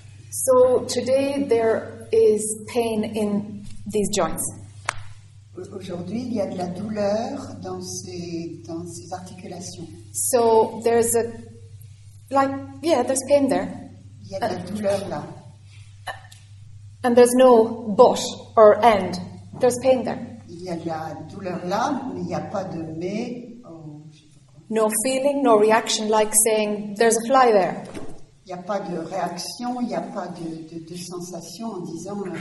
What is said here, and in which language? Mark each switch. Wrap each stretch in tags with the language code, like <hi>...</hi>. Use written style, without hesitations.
<en>So today there is pain in these joints.</en> <fr>Aujourd'hui, il y a de la douleur dans ces articulations.</fr> <en>So there's a there's pain there.</en> <fr>Il y a de la douleur là.</fr> <en>And there's no but or end. There's pain there.</en> <fr>Il y a de la douleur là, mais il n'y a pas de mais.</fr> <en>No feeling, no reaction, like saying there's a fly there.</en> <fr>Il n'y a pas de réaction, il n'y a pas de sensation en disant.</fr>